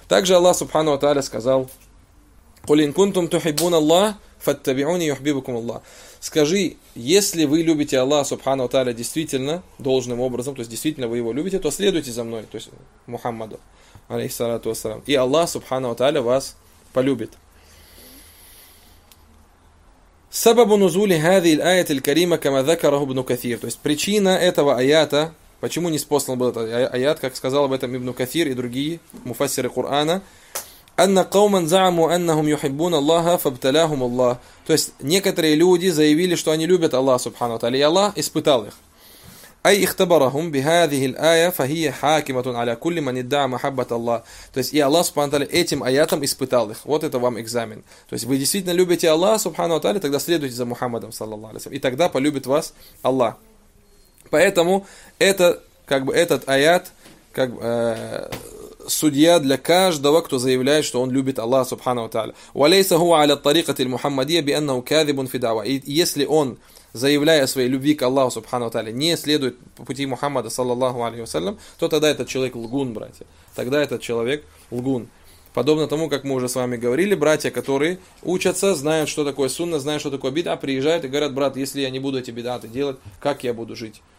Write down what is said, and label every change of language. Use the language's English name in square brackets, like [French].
[Russian] Также Аллах Субхану ва Тааля сказал: [Arabic] «Кулин кунтум тухиббуна Аллах, фаттабиуни юхбибукум Аллах». [Russian] Скажи, если вы любите Аллаха Субхану ва Тааля действительно должным образом, то есть действительно вы его любите, то следуйте за мной, то есть Мухаммаду, алейхиссалату вассалям. И Аллах Субхану ва Тааля вас полюбит. [Arabic] سبب نزول هذه الآية الكريمة كما ذكره ابن كثير. [Russian] То есть причина этого аята, почему не спослан был этот аят, как сказал об этом ابن كثير и другие муфассиры Корана, [Arabic] أن قوما زعموا أنهم يحبون الله فابتلاهم الله. [Russian] То есть некоторые люди заявили, что они любят Аллаха Субхану ва Тааля, и Аллах испытал их. [Arabic] أي اختبرهم بهذه الآية فهي حاكمة على كل من ادعى محبة الله. [Russian] То есть и Аллах Субхану ва Тааля этим аятом испытал их. Вот это вам экзамен. То есть вы действительно любите Аллаха Субхану ва Тааля, тогда следуйте за Мухаммадом саллаллаху алейхи ва саллям, и тогда полюбит вас Аллах. Поэтому это как бы этот аят как судья для каждого, кто заявляет, что он любит Аллаха Субхану ва Тааля. [Arabic] وليس هو على الطريقة المحمدية بأنه كاذب في دعوة. [Russian] И если он заявляя о своей любви к Аллаху Субхану ва Тааля, не следует пути Мухаммада, саллаллаху алейхи ва саллям, то тогда этот человек лгун, братья. Тогда этот человек лгун. Подобно тому, как мы уже с вами говорили, братья, которые учатся, знают, что такое сунна, знают, что такое бид'а, приезжают и говорят: брат, если я не буду эти бид'аты делать, как я буду жить?